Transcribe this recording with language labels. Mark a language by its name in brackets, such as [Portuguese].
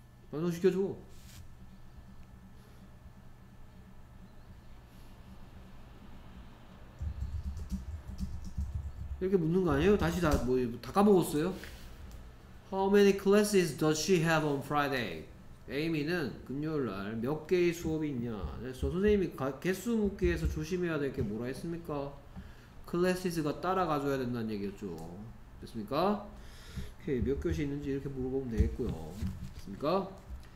[Korean] 완성시켜줘. 이렇게 묻는 거 아니에요? 다시 다 뭐 다 까먹었어요? [English] How many classes does she have on Friday? [Korean] 에이미는 금요일날 몇 개의 수업이 있냐? 그래서 선생님이 개수 묻기에서 조심해야 될 게 뭐라 했습니까? Classes가 따라가줘야 된다는 얘기였죠. 됐습니까? 오케이, 몇 교시 있는지 이렇게 물어보면 되겠고요. 됐습니까?